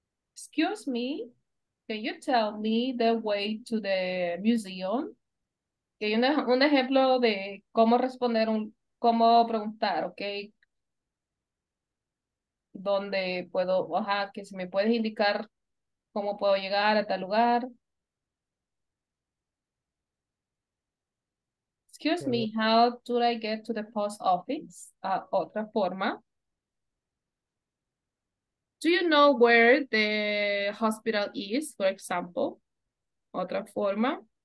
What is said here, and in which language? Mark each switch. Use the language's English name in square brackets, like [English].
[English] Excuse me, can you tell me the way to the museum? [Spanish] Que hay un ejemplo de cómo responder, cómo preguntar, ¿ok? ¿Dónde puedo, ajá, que si me puedes indicar cómo puedo llegar a tal lugar? [English] Excuse me, how do I get to the post office? [Spanish] Otra forma. [English] Do you know where the hospital is, for example? [Spanish] Otra forma.